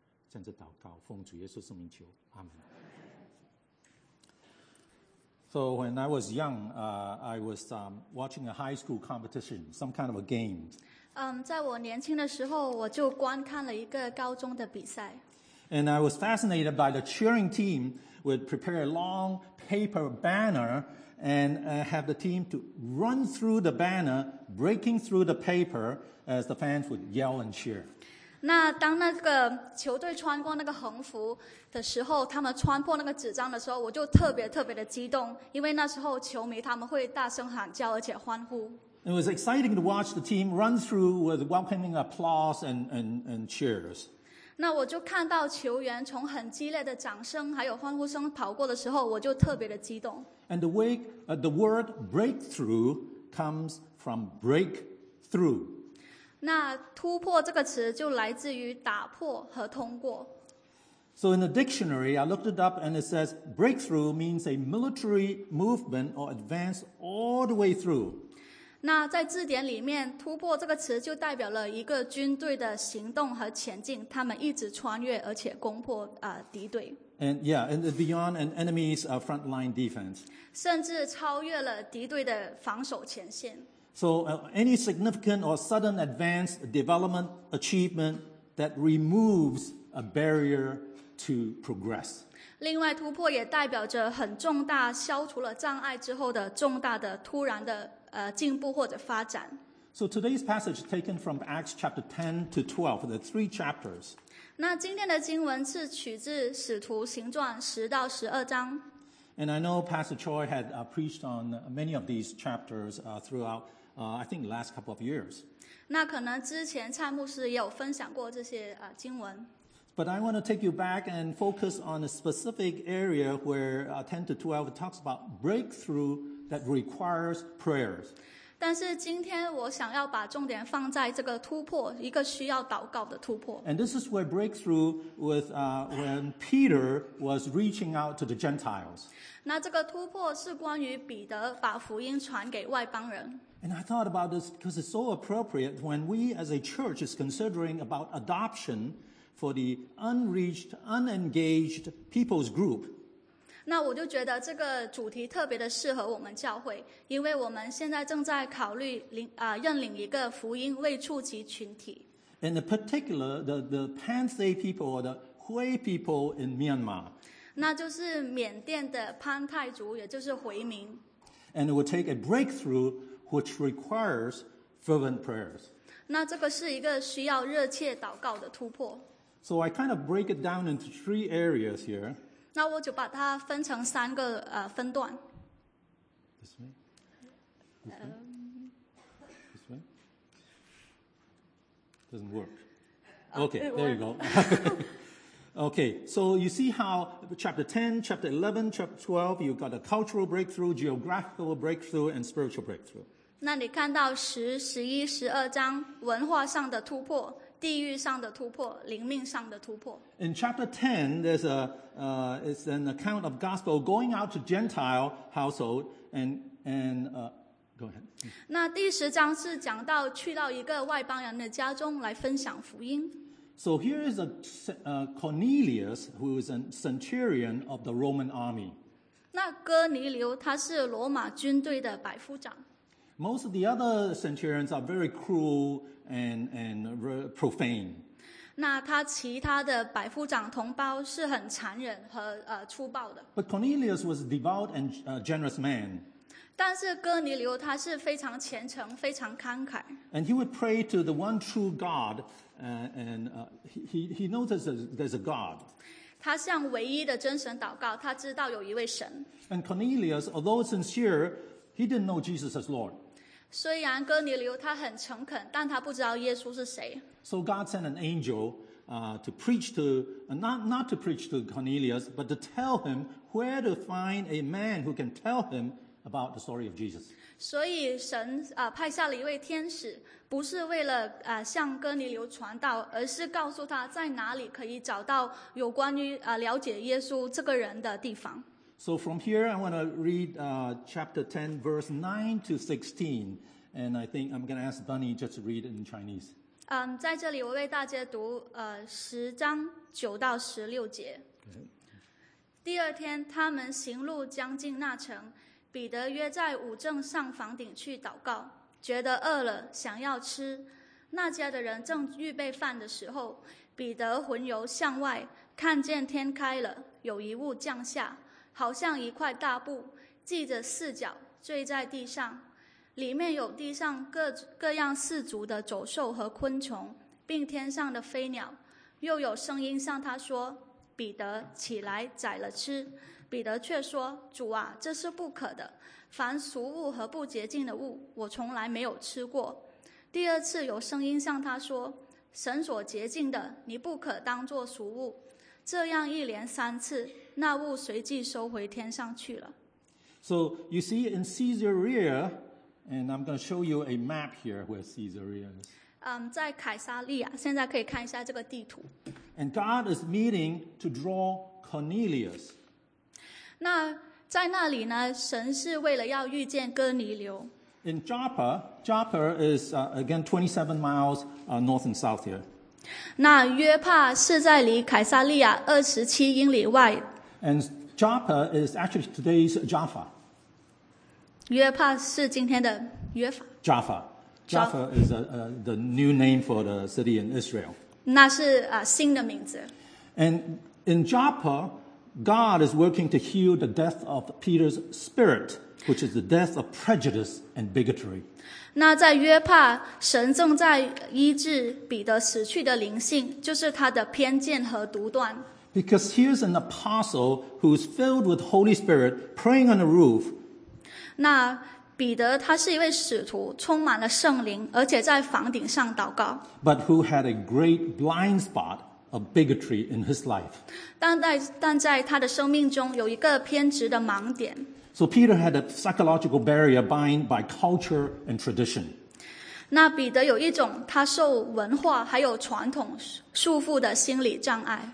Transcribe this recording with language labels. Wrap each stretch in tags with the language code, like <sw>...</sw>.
<zh>这样子祷告奉主耶稣圣名求，阿们。</zh> <en>So when I was young, I was watching a high school competition, some kind of a game.</en> <zh>在我年轻的时候，我就观看了一个高中的比赛。</zh> <en>And I was fascinated by the cheering team would prepare a long paper banner and have the team to run through the banner, breaking through the paper as the fans would yell and cheer.</en> <zh>那当那个球队穿过那个横幅的时候，他们穿破那个纸张的时候，我就特别特别的激动，因为那时候球迷他们会大声喊叫而且欢呼。</zh> <en>It was exciting to watch the team run through with welcoming applause and cheers.</en> <zh>那我就看到球员从很激烈的掌声还有欢呼声跑过的时候，我就特别的激动。</zh> <en>And the word breakthrough comes from break through.</en> <zh>那突破这个词就来自于打破和通过。</zh> <en>So in the dictionary, I looked it up and it says breakthrough means a military movement or advance all the way through.</en> <zh>那在字典里面，突破这个词就代表了一个军队的行动和前进，他们一直穿越而且攻破敌对。</zh> <en>And yeah, and beyond an enemy's frontline defense.</en> <zh>甚至超越了敌对的防守前线。</zh> <en>So any significant or sudden advance, development, achievement that removes a barrier to progress.</en> <zh>另外，突破也代表着很重大、消除了障碍之后的重大的、突然的进步或者发展。</zh> <en>So today's passage taken from Acts chapter 10 to 12, the three chapters.</en> <zh>那今天的经文是取自《使徒行传》十到十二章。</zh> <en>And I know Pastor Choi had preached on many of these chapters throughout, I think, the last couple of years.</en> <zh>那可能之前蔡牧师也有分享过这些经文。</zh> <en>But I want to take you back and focus on a specific area where 10 to 12 talks about breakthrough that requires prayers.</en> <zh>但是今天我想要把重点放在这个突破，一个需要祷告的突破。</zh> <en>And this is where breakthrough with when Peter was reaching out to the Gentiles.</en> <zh>那这个突破是关于彼得把福音传给外邦人。</zh> <en>And I thought about this because it's so appropriate when we as a church is considering about adoption for the unreached, unengaged people's group.</en> <zh>那我就觉得这个主题特别的适合我们教会，因为我们现在正在考虑认领一个福音未触及群体。</zh> <en>In particular, the Pansay people or the Hui people in Myanmar.</en> <zh>那就是缅甸的潘泰族，也就是回民。</zh> <en>And it will take a breakthrough which requires fervent prayers.</en> <zh>那这个是一个需要热切祷告的突破。</zh> <en>So I kind of break it down into three areas here.</en> <zh>那我就把它分成三个分段。</zh> <en>This way? This way? Doesn't work. Okay, there you go. Okay, so you see how chapter 10, chapter 11, chapter 12, you've got a cultural breakthrough, geographical breakthrough, and spiritual breakthrough.</en> <zh>那你看到十、十一、十二章文化上的突破。地域上的突破，灵命上的突破。</zh> <en>In chapter 10, there's it's an account of gospel going out to Gentile household go ahead.</en> <zh>那第十章是讲到去到一个外邦人的家中来分享福音。</zh> <en>So here is Cornelius, who is a centurion of the Roman army.</en> <zh>那哥尼流他是罗马军队的百夫长。</zh> <en>Most of the other centurions are very cruel and profane.</en> <zh>那他其他的百夫长同胞是很残忍和粗暴的。</zh> <en>But Cornelius was a devout and generous man.</en> <zh>但是哥尼流他是非常虔诚，非常慷慨。</zh> <en>And he would pray to the one true God, and he noticed there's a God.</en> <zh>他向唯一的真神祷告，他知道有一位神。</zh> <en>And Cornelius, although sincere, he didn't know Jesus as Lord.</en> <zh>虽然哥尼流他很诚恳，但他不知道耶稣是谁。</zh> <en>So God sent an angel, to preach to, not to preach to Cornelius, but to tell him where to find a man who can tell him about the story of Jesus.</en> <zh>所以神派下了一位天使，不是为了向哥尼流传道，而是告诉他在哪里可以找到有关于了解耶稣这个人的地方。</zh> <en>So from here, I want to read chapter 10, verse 9 to 16. And I think I'm going to ask Bunny just to read it in Chinese.</en> <zh>在这里我为大家读10章9到16节。第二天，他们行路将近那城，彼得约在午正上房顶去祷告，觉得饿了，想要吃。那家的人正预备饭的时候，彼得魂游向外，看见天开了，有一物降下，好像一块大布，系着四角，坠在地上。里面有地上各样四足的走兽和昆虫，并天上的飞鸟。又有声音向他说：“彼得，起来，宰了吃。” 彼得却说：“主啊，这是不可的。凡俗物和不洁净的物，我从来没有吃过。” 第二次有声音向他说：“神所洁净的，你不可当作俗物。” 这样一连三次，那物随即收回天上去了。</zh> <en>So you see in Caesarea, and I'm going to show you a map here where Caesarea is.</en> <zh>在凯撒利亚，现在可以看一下这个地图。</zh> <en>And God is meeting to draw Cornelius.</en> <zh>那在那里呢？神是为了要遇见哥尼流。</zh> <en>In Joppa, Joppa is again 27 miles north and south here.</en> <zh>那约帕是在离凯撒利亚27英里外。</zh> <en>And Joppa is actually today's Jaffa.</en> <zh>约帕是今天的约法。</zh> <en>Jaffa. Jaffa is the new name for the city in Israel.</en> <zh>那是新的名字。</zh> <en>And in Joppa, God is working to heal the death of Peter's spirit, which is the death of prejudice and bigotry.</en> <zh>那在约帕，神正在医治彼得死去的灵性，就是他的偏见和独断。</zh> <en>Because here's an apostle who's filled with Holy Spirit praying on the roof.</en> <zh>那彼得他是一位使徒，充满了圣灵，而且在房顶上祷告。</zh> <en>But who had a great blind spot of bigotry in his life.</en> <zh>但在他的生命中有一个偏执的盲点。</zh> <en>So Peter had a psychological barrier bound by culture and tradition.</en> <zh>那彼得有一种他受文化还有传统束缚的心理障碍。</zh>